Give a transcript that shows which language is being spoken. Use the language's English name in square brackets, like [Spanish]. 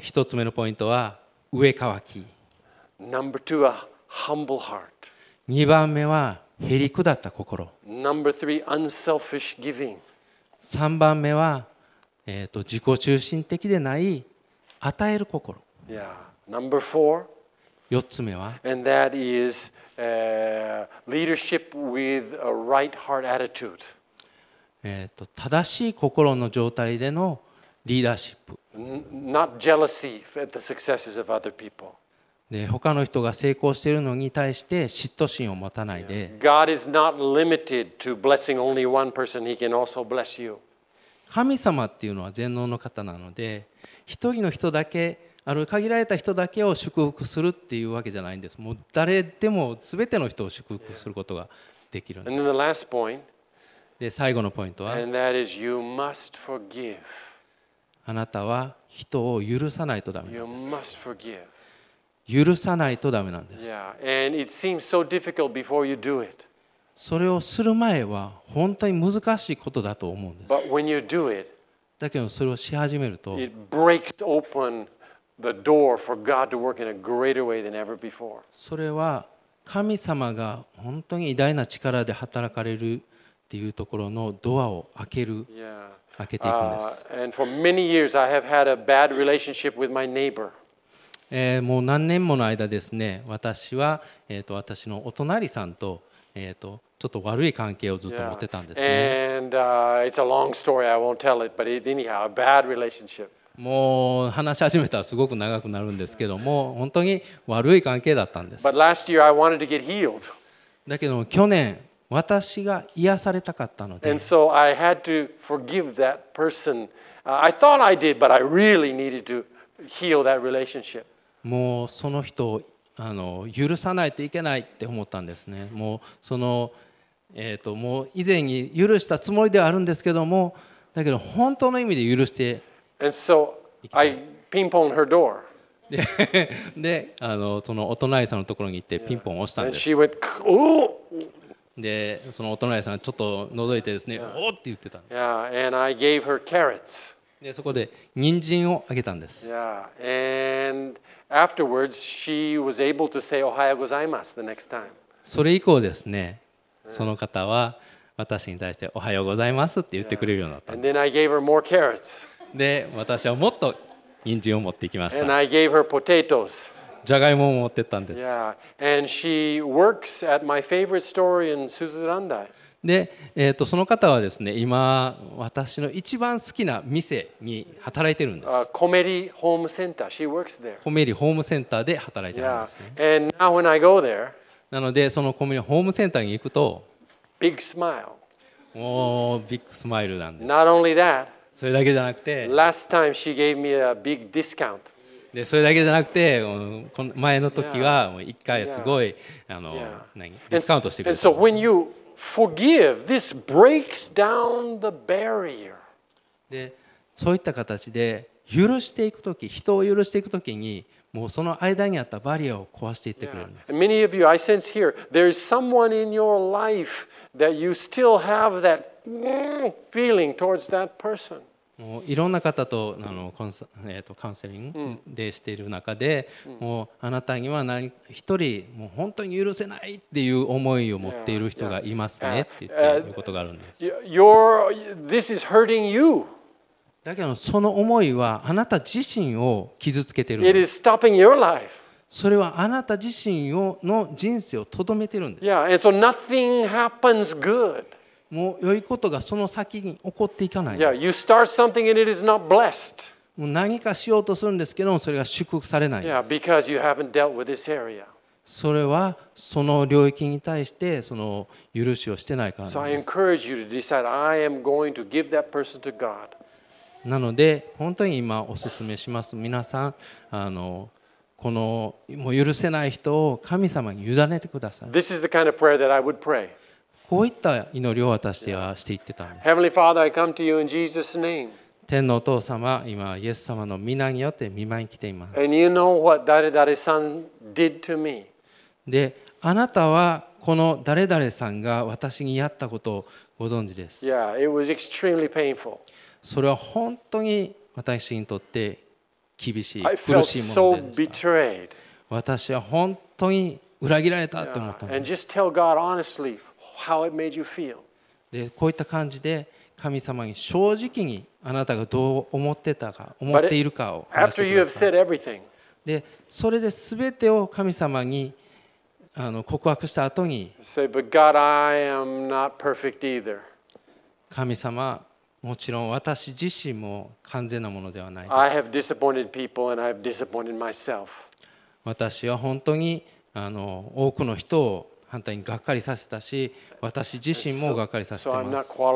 [Japanese] 一つ目のポイントは上渇き。 [English] Number two, a humble heart. [Japanese] 2番目は減り下った心。 [English] Number three, unselfish giving. [Japanese] 3番目は、自己中心的でない与える心。 [English] Yeah. Number four, [Japanese] 4つ目は、 [English] And that is, leadership with a right heart attitude. [Japanese] 正しい心の状態でのリーダーシップ。 [English] Not jealousy at the successes of other people. [Japanese] で他の人が成功しているのに対して嫉妬心を持たないで、 [English] God is not limited to blessing only one person. He can also bless you. [Japanese] 神様っていうのは全能の方なので、一人の人だけ、ある限られた人だけを祝福するっていうわけじゃないんです。もう誰でも全ての人を祝福することができるんです。 [English] And then the last point. [Japanese] で最後のポイントは、 [English] And that is you must forgive. [Japanese] あなたは人を許さないとダメなんです。 [English] You must forgive. [Japanese] 許さないとダメなんです。 [English] Yeah. And it seems so difficult before you do it. [Japanese] それをする前は本当に難しいことだと思うんです。 [English] But when you do it, [Japanese] だけどそれをし始めると、 [English] it breaks open the door for God to work in a greater way than ever before. [Japanese] それは神様が本当に偉大な力で働かれるっていうところのドアを開ける、 [English] yeah. [Japanese] 開けていくんです。 [English] And for many years I have had a bad relationship with my neighbor. [Japanese] もう何年もの間ですね、私は、私のお隣さんと、ちょっと悪い関係をずっと持ってたんですね。 [English] Yeah. And, it's a long story. I won't tell it, but anyhow, a bad relationship. [Japanese] もう話し始めたらすごく長くなるんですけども、本当に悪い関係だったんです。 [English] But last year I wanted to get healed. [Japanese] だけども去年私が癒されたかったので、 [English] And so I had to forgive that person. I thought I did, but I really needed to. Heal that relationship. [Japanese] もうその人を許さないといけないって思ったんですね。もうその、もう以前に許したつもりではあるんですけども、だけど本当の意味で許して [English] And so I ping-ponged her door. [Japanese] で、そのお隣さんのところに行ってピンポン押したんです。 [English] Yeah. And she went, "Ooh!" [Japanese] で、そのお隣さんちょっと覗いてですね、 [English] yeah. [Japanese] おーって言ってたんです。 [English] Yeah. And I gave her carrots. [Japanese] でそこで人参をあげたんです。 [English] Yeah. And afterwards, she was able to say, [Japanese] "Ohayou gozaimasu." [English] The next time. [Japanese] それ以降ですね、その方は私に対して「おはようございます」って言ってくれるようになったんです。 [English] And then I gave her more carrots. [Japanese] で、私はもっと人参を持っていきました。 [English] And I gave her potatoes. [Japanese] じゃがいもを持ってったんです。 [English] Yeah. And she works at my favorite store in Suzurandai. [Japanese] で、その方はですね、今私の一番好きな店に働いてるんです。 [English] コメリホームセンター、she works there. [Japanese] コメリホームセンターで働いてるんですね。 [English] Yeah. And now when I go there, [Japanese] なのでそのコメリホームセンターに行くと、 [English] big smile. [Japanese] もうビッグスマイルなんです。 [English] Not only that, [Japanese] それだけじゃなくて、 [English] last time she gave me a big discount. [Japanese] でそれだけじゃなくて、この前の時は一回すごい、 [English] yeah. [Japanese] ディスカウントしてくれた。 [English] And so when youForgive. This breaks down the barrier. [Japanese] で、そういった形で許していくとき、人を許していくときに、もうその間にあったバリアを壊していってくれるんです。 [English] Many of you, I sense here, there is someone in your life that you still have that feeling towards that person. [Japanese] もういろんな方とカウンセリングでしている中で、もうあなたには何一人もう本当に許せないっていう思いを持っている人がいますねって言っていることがあるんです。 [English] This is hurting you. [Japanese] だけどその思いはあなた自身を傷つけているんです。 [English] It is stopping your life. [Japanese] それはあなた自身の人生をとどめているんです。 [English] Yeah, and so nothing happens good. [Japanese] もう良いことがその先に起こっていかない。 [English] Yeah, you start something and it is not blessed. [Japanese] もう何かしようとするんですけど、それが祝福されない。 [English] Yeah, because you haven't dealt with this area. [Japanese] それはその領域に対してその許しをしてないからです。 [English] So I encourage you to decide, I am going to give that person to God. [Japanese] なので本当に今お勧めします。皆さん、このもう許せない人を神様に委ねてください。 [English] This is the kind of prayer that I would pray. [Japanese] こういった祈りを私はしていってたんです。 [English] Heavenly Father, I come to you in Jesus' name. [Japanese] 天のお父様、今イエス様の御名によって御前に来ています。 [English] And you know what Daredare San did to me. [Japanese] で、あなたはこの Daredare さんが私にやったことをご存知です。 [English] Yeah, it was extremely painful. [Japanese] それは本当に私にとって厳しい、苦しいものでした。私は本当に裏切られたと思ったんです。 [English] And just tell God honestly. How it made you feel. [Japanese] でこういった感じで神様に正直にあなたがどう思ってたか思っているかを話してください。でそれで全てを神様に告白した後に [English] Say, But God, I am not perfect either. [Japanese] 神様もちろん私自身も完全なものではないです。 [English] I have disappointed people and I have disappointed myself. [Japanese] 私は本当にあの多くの人を反対にがっかりさせたし、私自身もがっかりさせています。